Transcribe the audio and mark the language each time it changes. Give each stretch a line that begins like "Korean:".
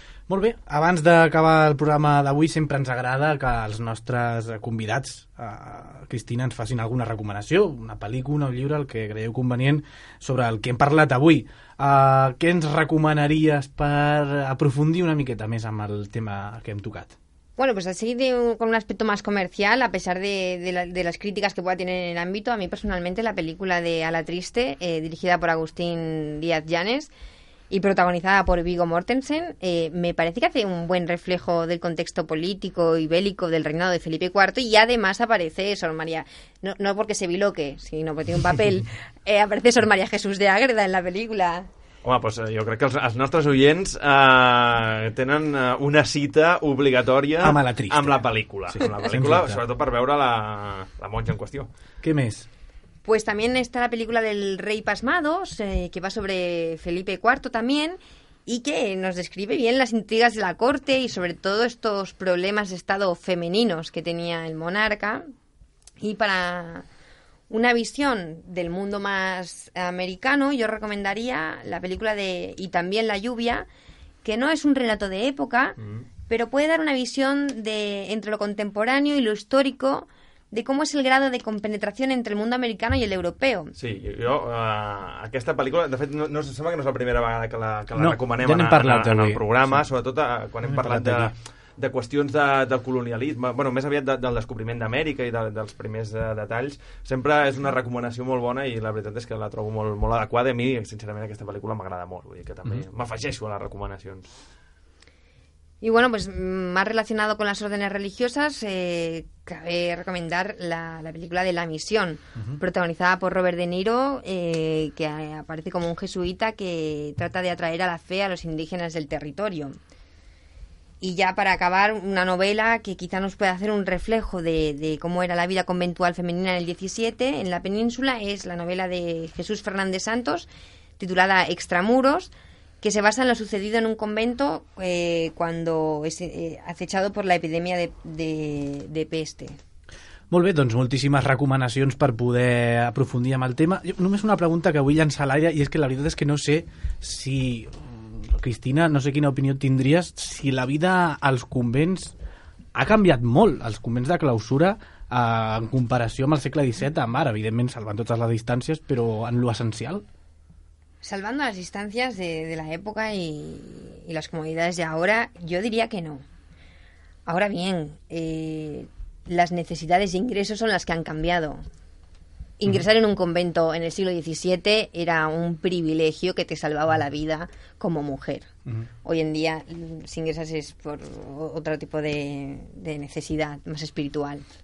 Catalan: Molt bé, abans d'acabar el programa d'avui sempre ens agrada que els nostres convidats, Cristina, ens facin alguna recomanació, una pel·lícula, un llibre, el que creieu convenient sobre el que hem parlat avui. Què ens recomanaries per aprofundir una miqueta més amb el tema que hem tocat?
Spanish: Bueno, pues así con un aspecto más comercial, a pesar de las críticas que pueda tener en el ámbito, a mí personalmente la película de A la triste, dirigida por Agustín Díaz Llanes, y protagonizada por Viggo Mortensen, me parece que hace un buen reflejo del contexto político y bélico del reinado de Felipe IV, y además aparece Sor María, no porque se biloque, sino porque tiene un papel, aparece Sor María Jesús de Ágreda en la película.
Catalan: Home, pues jo crec que els nostres oients tenen una cita obligatòria amb la pel·lícula, sí, amb la pel·lícula, sobretot per veure la monja en qüestió. Què més?
Spanish: Pues también está la película del Rey Pasmados, que va sobre Felipe IV también, y que nos describe bien las intrigas de la corte y sobre todo estos problemas de estado femeninos que tenía el monarca. Y para una visión del mundo más americano, yo recomendaría la película de Y también la lluvia, que no es un relato de época, pero puede dar una visión de entre lo contemporáneo y lo histórico, de cómo es el grado de compenetración entre el mundo americano y el europeo.
Catalan: Sí, yo aquesta pel·lícula, de fet, no sembla que no és la primera vegada que la recomanem ja en el programa, sí. Sobretot quan hem parlat de qüestions de colonialisme, bueno, més aviat del descobriment d'Amèrica i dels primers detalls, sempre és una recomanació molt bona i la veritat és que la trobo molt, molt adequada i a mi, sincerament, aquesta pel·lícula m'agrada molt, vull dir que també m'afegeixo a les recomanacions.
Spanish: Y bueno, pues más relacionado con las órdenes religiosas, cabe recomendar la película de La Misión, protagonizada por Robert De Niro, que aparece como un jesuita que trata de atraer a la fe a los indígenas del territorio. Y ya para acabar, una novela que quizá nos pueda hacer un reflejo de cómo era la vida conventual femenina en el 17 en la península, es la novela de Jesús Fernández Santos, titulada Extramuros, que se basa en lo sucedido en un convento cuando es acechado por la epidemia de peste.
Catalan: Molt bé, doncs moltíssimes recomanacions per poder aprofundir en el tema. Jo, només una pregunta que vull llançar a l'aire, i és que la veritat és que no sé si, Cristina, no sé quina opinió tindries, si la vida als convents ha canviat molt, els convents de clausura, en comparació amb el segle XVII, amb ara, evidentment, salvant totes les distàncies, però en lo essencial. Salvant les distàncies de l'època i les comoditats d'ara, jo diria que no. Ara bé,
Spanish: las necesidades de ingresos son las que han cambiado. Ingresar en un convento en el siglo XVII era un privilegio que te salvaba la vida como mujer. Hoy en día, si ingresas es por otro tipo de necesidad más espiritual.